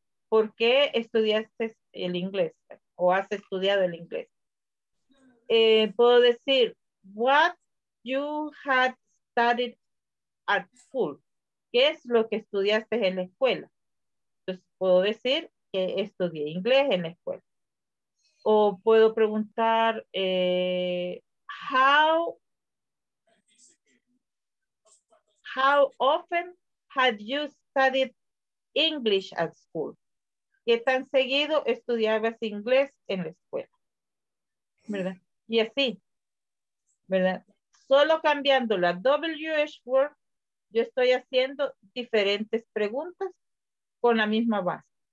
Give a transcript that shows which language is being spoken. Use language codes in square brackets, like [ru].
[es] ¿Por qué estudiaste el inglés? ¿O has estudiado el inglés? Puedo decir, [en] what you had studied at school. [es] ¿Qué es lo que estudiaste en la escuela? Entonces puedo decir que estudié inglés en la escuela. O puedo preguntar, [en] how often had you studied English at school? [es] ¿Qué tan seguido estudiabas inglés en la escuela? ¿Verdad? Y así, ¿verdad? Solo cambiando la WH word, yo estoy haciendo diferentes preguntas con la misma base.